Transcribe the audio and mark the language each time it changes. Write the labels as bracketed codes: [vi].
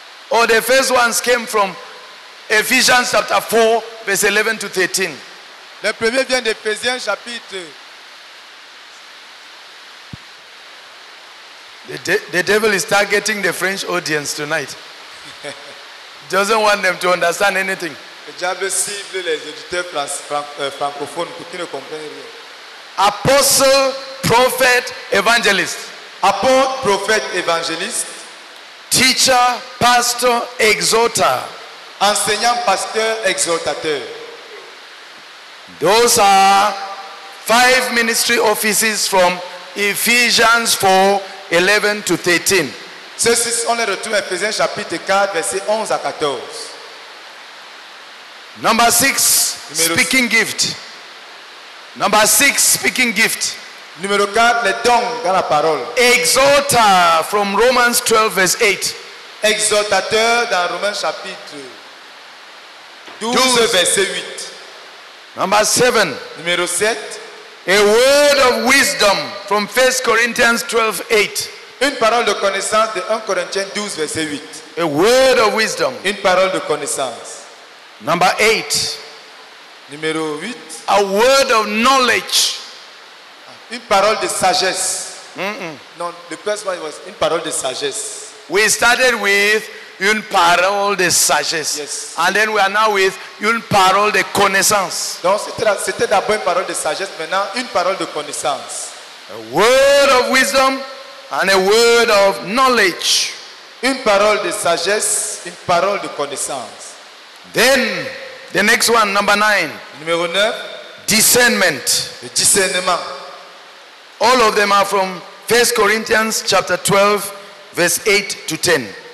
[en] Oh, the first ones came from Ephesians chapter 4, verse 11 to 13. [fr] Le premier vient d'Ephésiens chapitre. [en] The devil is targeting the French audience tonight. Doesn't want them to understand anything. [fr] Le diable cible les auditeurs francophones pour qu'ils ne comprennent rien. [en] Apostle, prophet, evangelist. [fr] apôtre, prophète, évangéliste, [en] teacher, pastor, exhorter, [fr] enseignant, pasteur, exhortateur. [en] Those are five ministry offices from Ephesians 4, 11 to 13. [fr] Ceci sont les retours à Ephésiens chapitre 4, versets 11 à 14. [en] Number 6, speaking gift. Number 6, speaking gift. [fr] Numéro 4, les dons dans la parole. [en] Exhorter from Romans 12, verse 8. [fr] Exhortateur dans Romains chapitre 12, verset 8. [en] Number 7. [fr] Numéro 7. [en] A word of wisdom from 1 Corinthians 12, 8. [fr] Une parole de connaissance de 1 Corinthiens 12, verset 8. [en] A word of wisdom. [fr] Une parole de connaissance. [en] Number 8. [fr] Numéro 8. [en] A word of knowledge. [fr] Une parole de sagesse. Mm-mm. [en] No, the first one was [fr] une parole de sagesse. [en] We started with [fr] une parole de sagesse. [en] Yes. And then we are now with [fr] une parole de connaissance. Donc c'était d'abord une parole de sagesse, maintenant une parole de connaissance. [en] A word of wisdom and a word of knowledge. [fr] Une parole de sagesse, une parole de connaissance. [en] Then, the next one, number 9. [fr] Numéro 9. [en] Discernment. [fr] Le discernement. [en] All of them are from 1 Corinthians chapter 12, verse 8 to 10.